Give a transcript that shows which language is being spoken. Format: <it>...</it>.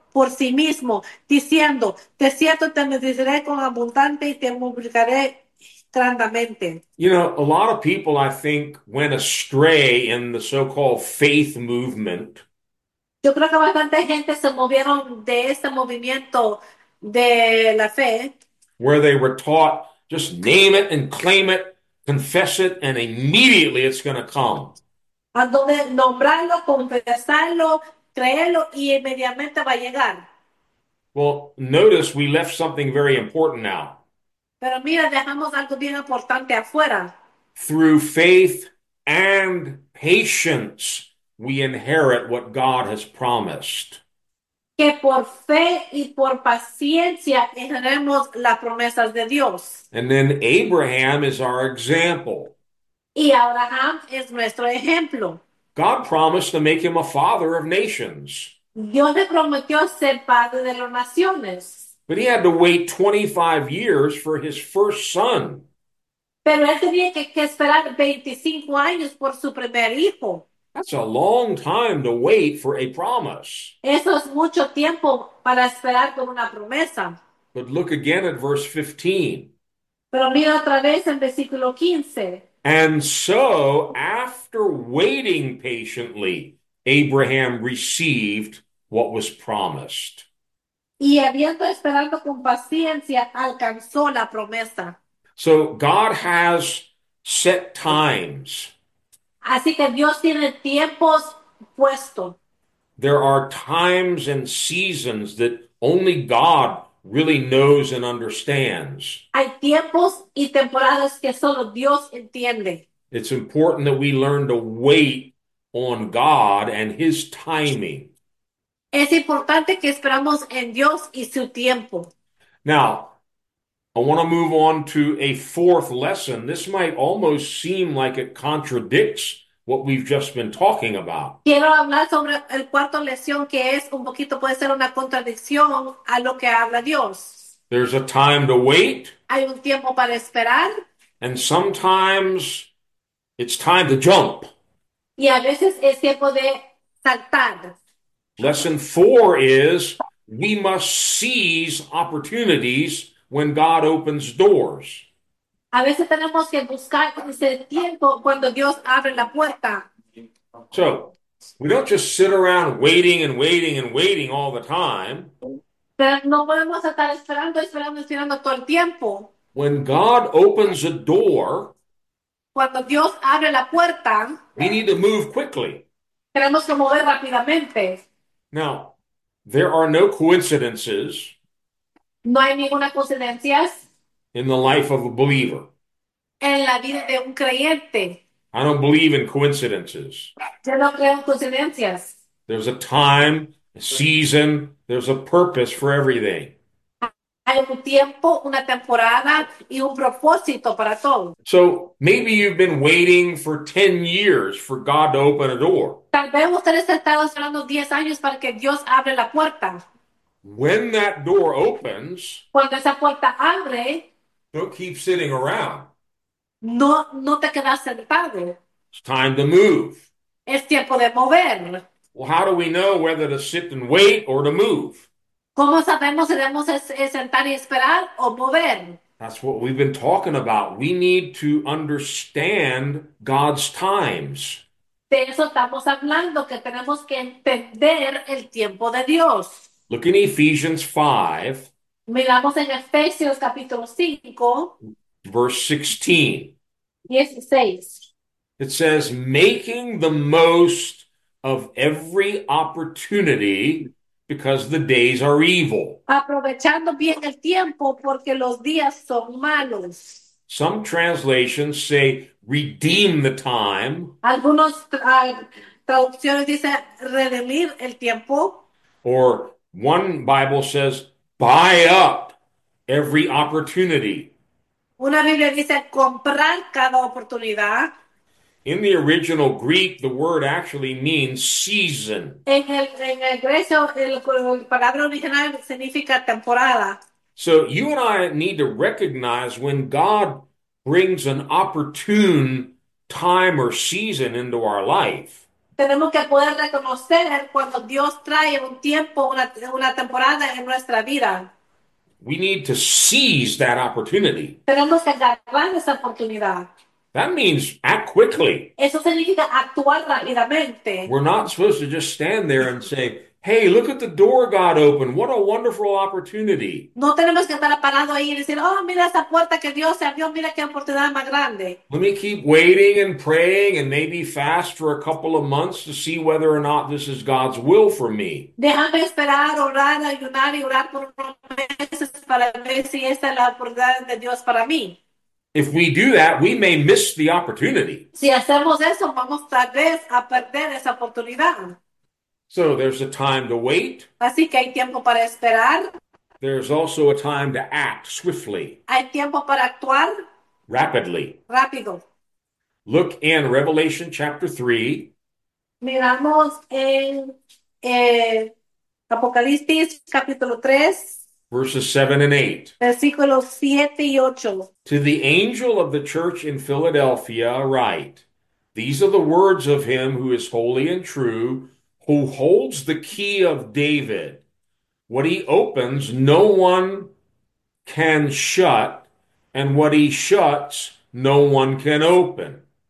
<es>por sí mismo, diciendo, de cierto te bendeciré con abundante y te multiplicaré grandemente.</es> <en>You know, a lot of people, I think, went astray in the so-called faith movement.</en> <es>Yo creo que bastante gente se movieron de este movimiento de la fe.</es> <en>Where they were taught, just name it and claim it, confess it, and immediately it's going to come.</en> <es>A donde nombrarlo, confesarlo, creerlo y inmediatamente va a llegar.</es> <en>Well, notice we left something very important now.</en> <es>Pero mira, dejamos algo bien importante afuera.</es> <en>Through faith and patience, we inherit what God has promised.</en> <es>Que por fe y por paciencia tenemos las promesas de Dios.</es> <en>And then Abraham is our example.</en> <es>Y Abraham es nuestro ejemplo.</es> <en>God promised to make him a father of nations.</en> <es>Dios le prometió ser padre de las naciones.</es> <en>But he had to wait 25 years for his first son.</en> <es>Pero él tenía que esperar 25 años por su primer hijo.</es> <en>That's a long time to wait for a promise.</en> <es>Eso es mucho tiempo para esperar por una promesa.</es> <en>But look again at verse 15.</en> <es>Pero mira otra vez en versículo 15.</es> <en>And so, after waiting patiently, Abraham received what was promised.</en> <es>Y habiendo esperado con paciencia, alcanzó la promesa.</es> <en>So, God has set times.</en> <es>Así que Dios tiene tiempos puestos.</es> <en>There are times and seasons that only God really knows and understands.</en> <es>Hay tiempos y temporadas que solo Dios entiende.</es> <en>It's important that we learn to wait on God and His timing.</en> <es>Es importante que esperamos en Dios y su tiempo.</es> <en>Now, I want to move on to a fourth lesson. This might almost seem like it contradicts what we've just been talking about.</en> <es>Quiero hablar sobre el cuarto lección que es un poquito, puede ser una contradicción a lo que habla Dios.</es> <en>There's a time to wait,</en> <es>Hay un tiempo para esperar.</es> <en>and sometimes it's time to jump.</en> <es>Y a veces es tiempo de saltar.</es> <en>Lesson four is we must seize opportunities when God opens doors.</en> <es>A veces tenemos que buscar ese tiempo cuando Dios abre la puerta.</es> <en>So, we don't just sit around waiting and waiting and waiting all the time.</en> <es>Pero no podemos estar esperando, esperando, esperando todo el tiempo.</es> <en>When God opens a door,</en> <es>Cuando Dios abre la puerta,</es> <en>we need to move quickly.</en> <es>tenemos que mover rápidamente.</es> <en>Now, there are no coincidences</en> <es>No hay ninguna coincidencia</es> <en>in the life of a believer.</en> <es>en la vida de un creyente.</es> <en>I don't believe in coincidencias.</en> <es>Yo no creo en coincidencias.</es> <en>There's a time, a season, there's a purpose for everything.</en> <es>Hay un tiempo, una temporada y un propósito para todo.</es> <en>So maybe you've been waiting for 10 years for God to open a door.</en> <es>Tal vez ustedes han estado esperando 10 años para que Dios abra la puerta.</es> <en>When that door opens,</en> <es>Cuando esa puerta abre,</es> <en>don't keep sitting around.</en> <es>no te quedas sentado.</es> <en>It's time to move.</en> <es>Es tiempo de mover.</es> <en>Well, how do we know whether to sit and wait or to move?</en> <es>¿Cómo sabemos si debemos sentar y esperar o mover?</es> <en>That's what we've been talking about. We need to understand God's times.</en> <es>Eso estamos hablando, que tenemos que entender el tiempo de Dios.</es> <en>Look in Ephesians 5,</en> <es>Miramos en Efesios capítulo 5,</es> <en>verse 16.</en> <es>16.</es> <en>It says, making the most of every opportunity because the days are evil.</en> <es>Aprovechando bien el tiempo porque los días son malos.</es> <en>Some translations say redeem the time,</en> <es>Algunas traducciones dicen redimir el tiempo.</es> <en>or one Bible says buy up every opportunity.</en> <es>Una Biblia dice comprar cada oportunidad.</es> <en>In the original Greek, the word actually means season.</en> <es>En el grecio, el palabra original significa temporada.</es> <en>So you and I need to recognize when God brings an opportune time or season into our life.</en> <es>Tenemos que poder reconocer cuando Dios trae un tiempo, una temporada en nuestra vida.</es> <en>We need to seize that opportunity.</en> <es>Tenemos que agarrar esa oportunidad.</es> <en>That means act quickly.</en> <es>Eso significa actuar</es> <en>We're</en> <es>rápidamente.</es> <en>not supposed to just stand there and say, hey, look at the door God opened. What a wonderful opportunity.</en> <es>No tenemos que estar parado ahí y decir, oh, mira esa puerta que Dios abrió, mira qué oportunidad más grande.</es> <en>Let me keep waiting and praying and maybe fast for a couple of months to see whether or not this is God's will for me.</en> <es>Déjame esperar, orar, ayunar y orar por unos meses para ver si esta es la oportunidad de Dios para mí.</es> <en>If we do that, we may miss the opportunity.</en> <es>Si hacemos eso, vamos tal vez a perder esa oportunidad.</es> <en>So there's a time to wait.</en> <es>Así que hay tiempo para esperar.</es> <en>There's also a time to act swiftly,</en> <es>Hay tiempo para actuar</es> <en>rapidly.</en> <es>rápido.</es> <en>Look in Revelation chapter 3.</en> <es>Miramos en Apocalipsis capítulo 3,</es> <en>Verses 7 and 8.</en> <es>versículos 7 y 8.</es> <en>To the angel of the church in Philadelphia, write, these are the words of him who is holy and true, who holds the key of David. What he opens, no one can shut, and what he shuts, no one can open.</en>